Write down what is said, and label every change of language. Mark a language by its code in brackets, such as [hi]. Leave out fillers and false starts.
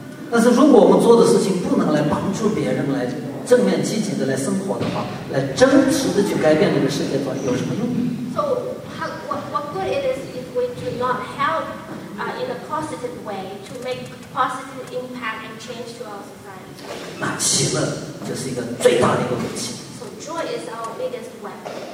[zh] 但是如果我们做的事情不能来帮助别人来正面积极的来生活的话，来真实的去改变这个世界的话，有什么用？ [en] So what good it is if we do not help in a positive way to make positive impact and change to our society? [zh] 那喜乐就是一个最大的一个武器。 [en] So joy is our biggest weapon.